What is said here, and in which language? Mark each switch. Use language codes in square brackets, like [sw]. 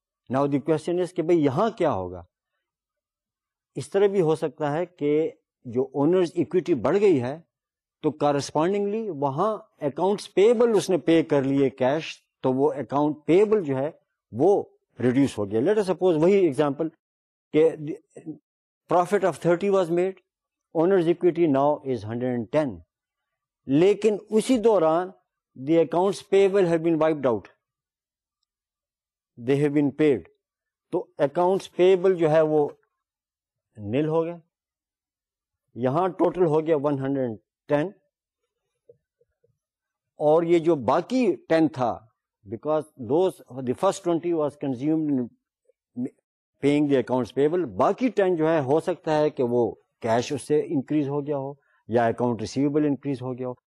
[en] Now the question is [ur] کہ بھئی یہاں کیا ہوگا. اس طرح بھی ہو سکتا ہے کہ جو owner's equity بڑھ گئی ہے تو correspondingly وہاں accounts payable اس نے pay کر لیے cash, تو وہ account payable جو ہے وہ reduce ہو گیا. [en] Let us suppose [ur] وہی example کہ [en] profit of 30 was made, owner's equity now is 110, [ur] لیکن اسی دوران [en] the accounts payable have been wiped out, they have been paid. [ur] تو accounts payable جو ہے وہ nil ہو گیا. یہاں total ہو گیا 110, اور یہ جو باقی 10 تھا, [en] because those the first 20 was consumed in paying the accounts payable, [ur] باقی 10 جو ہے ہو سکتا ہے کہ وہ cash اس سے increase ہو گیا ہو یا account receivable increase ہو گیا ہو.